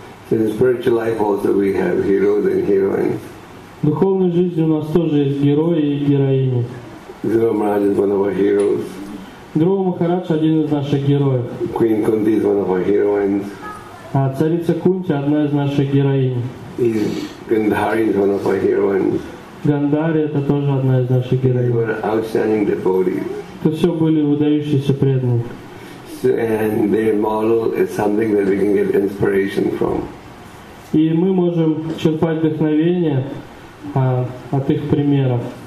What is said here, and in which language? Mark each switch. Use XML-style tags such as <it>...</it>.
<en>So in spiritual life also we have heroes and heroines.</en> <ru>В духовной жизни у нас тоже есть герои и героини.</ru> <en>Dhruva Maharaj is one of our heroes.</en> <ru>Dhruva Maharaj один из наших героев.</ru> <en>Queen Kunti is one of our heroines.</en> <ru>А царица Кунти одна из наших героинь.</ru> <en>Гандхари is one of our heroines.</en> <ru>Гандхари – это тоже одна из наших героинь. Это все были выдающиеся преданные.</ru> <en>So, and their model is something that we can get inspiration from.</en> <ru>И мы можем черпать вдохновение от их примеров.</ru>